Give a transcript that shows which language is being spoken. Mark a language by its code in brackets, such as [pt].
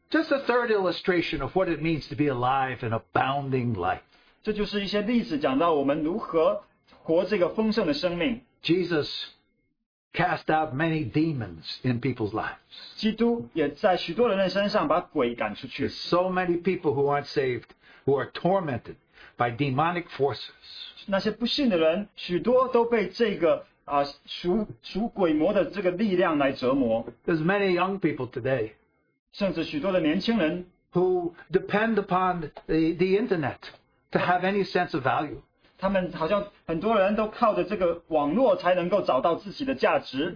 [en] Just a third illustration of what it means to be alive in abounding life. [zh] 这就是一些例子, 讲到我们如何活这个丰盛的生命。 [en] Jesus cast out many demons in people's lives. [zh] 基督也在许多人的身上把鬼赶出去。 [en] There's so many people who aren't saved, who are tormented by demonic forces. [zh] 那些不信的人, 许多都被这个, 属鬼魔的这个力量来折磨。 [en] There's many young people today [zh] 甚至许多的年轻人, [en] who depend upon the internet to have any sense of value. [zh] 他们好像很多人都靠着这个网络才能够找到自己的价值。